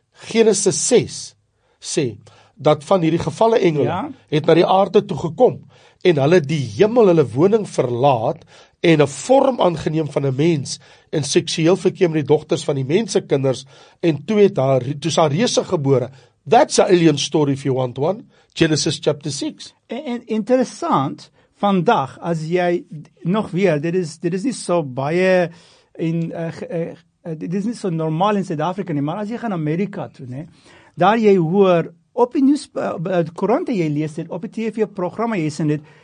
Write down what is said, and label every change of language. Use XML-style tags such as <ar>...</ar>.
<af>Genesis 6 sê, dat van hierdie gevalle engele het na die aarde toe gekom, en hulle die hemel, hulle woning verlaat, en 'n vorm aangeneem van 'n mens, en seksueel verkeer met die dogters van die mense kinders, en toe is haar reuse gebore.</af> <en>That's a alien story if you want one. Genesis chapter 6.</en> <af>En interessant, vandag, as jy nog weer, dit is nie so baie in, dit is nie so normaal in Suid-Afrika nie, maar as jy gaan Amerika toe, nee, daar jy hoor, op die nuus, die koerante jy lees dit, op die TV-programma jy sien dit,</af>